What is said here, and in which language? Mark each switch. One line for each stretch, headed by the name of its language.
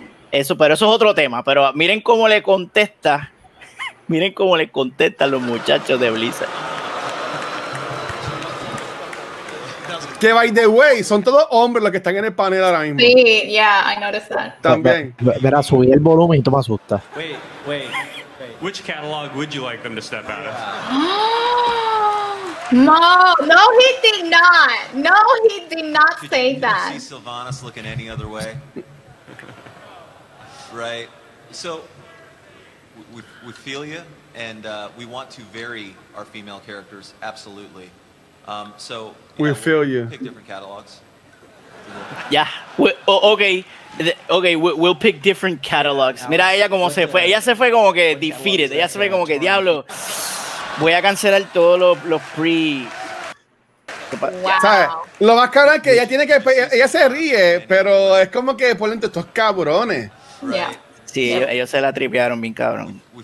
Spanish: Eso, pero eso es otro tema. Pero miren cómo le contesta. Miren cómo le contestan los muchachos de Blizzard. Que
English: by the way,
Spanish: son todos hombres los que están en el panel ahora mismo. Sí,
English: yeah, I noticed that.
Spanish: También. Verá, subí el volumen y tú me asustas.
English: Wait. Which catalog would you like them to step out of? No, he did not. No, he did not say that. Did you see Sylvanas looking any other way? Right. So, we feel you, and we want to vary our female characters, absolutely. So, we'll pick different catalogs. Yeah, okay. Ok, we'll pick different catalogs.
Spanish: Mira ella cómo se fue. Ella se fue como que defeated. Ella se fue como que, diablo, voy a cancelar todos los pre...
English: Wow.
Spanish: ¿Sabes? Lo más caro es que ella tiene que... Ella se ríe, pero es como que ponen estos cabrones.
English: Yeah.
Spanish: Sí,
English: yeah.
Spanish: ellos se la tripearon bien, cabrón.